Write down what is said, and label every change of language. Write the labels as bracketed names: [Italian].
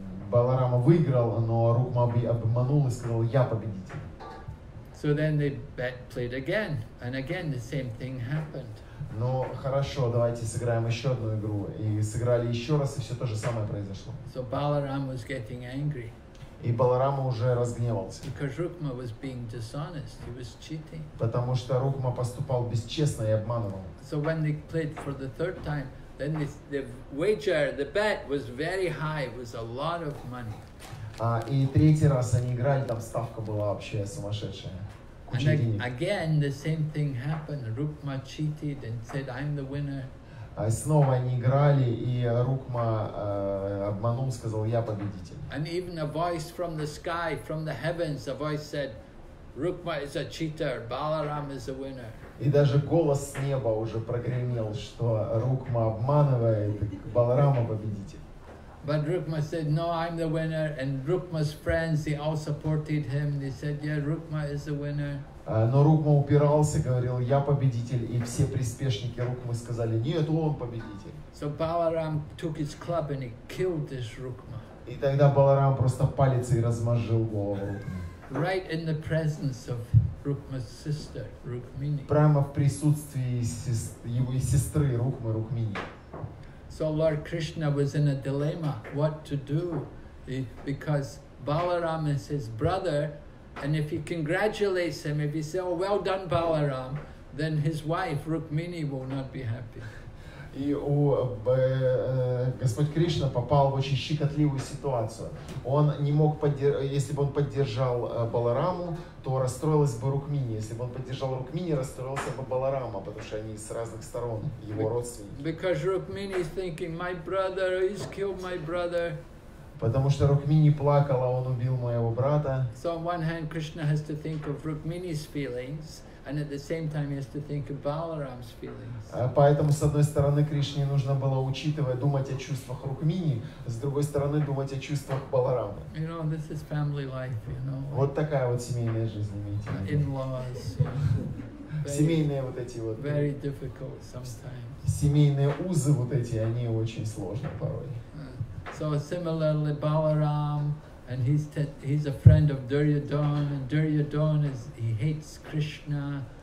[Russian] Баларама выиграл, но Рукма обманул и сказал, "Я победитель." [English] So then they played again, and again the same thing happened. [Russian] Ну хорошо, давайте сыграем еще одну игру. И сыграли еще раз, и все то же самое произошло. [English] So Balaram was getting angry. [Russian] И Баларама уже разгневался. [English] Because Rukma was being dishonest, he was cheating. [Russian] Потому что Рукма поступал бесчестно и обманывал. [English] So when they played for the third time, then the wager, the bet was very high, it was a lot of money. [Russian] И третий раз они играли, там ставка была вообще сумасшедшая. [English] And again, the same thing happened. Rukma cheated and said, "I'm the winner." [Russian] Снова они играли, и Рукма обманул, сказал, "Я победитель." [English] And even a voice from the sky, from the heavens, a voice said, "Rukma is a cheater. Balaram is the winner." [Russian] И даже голос с неба уже прогремел, что Рукма обманывает, Баларама победитель. [English] But Rukma said, "No, I'm the winner." And Rukma's friends, they all supported him. They said, "Yeah, Rukma is the winner." [Russian] Но Рукма упирался, говорил, "Я победитель." И все приспешники Рукмы сказали, "Нет, он победитель." [English] So Balaram took his club and he killed this Rukma. [Russian] И тогда Баларам просто палец и размажил голову Рукмы. [English] Right in the presence of Rukma's sister, Rukmini. [Russian] Прямо в присутствии его сестры Рукмы, Рукмини. [English] So Lord Krishna was in a dilemma, what to do, because Balaram is his brother, and if he congratulates him, if he says, "Oh, well done, Balaram," then his wife Rukmini will not be happy. [Russian] И у Господь Кришна попал в очень щекотливую ситуацию. Он не мог если бы он поддержал Балараму, то расстроилась бы Рукмини. Если бы он поддержал Рукмини, расстроился бы Баларама, потому что они с разных сторон, его родственники. [English] Because Rukmini is thinking, "My brother, he's killed my brother." [Russian] Потому что Рукмини плакала, он убил моего брата. [English] So on one hand, Krishna has to think of Rukmini's feelings. And at the same time, he has to think of Balaram's feelings. [Russian] Поэтому с одной стороны Кришне нужно было учитывать, думать о чувствах Рукмини, с другой стороны думать о чувствах Баларамы. [English] You know, this is family life. You know. Like [Russian] вот такая вот семейная жизнь, имейте. [English] In-laws. [Russian] Семейные вот эти вот. [English] Very difficult sometimes. [Russian] Семейные узы вот эти, они очень сложные порой. [English] So similarly, Balaram. And he's a friend of Duryodhana, and Duryodhana he hates Krishna.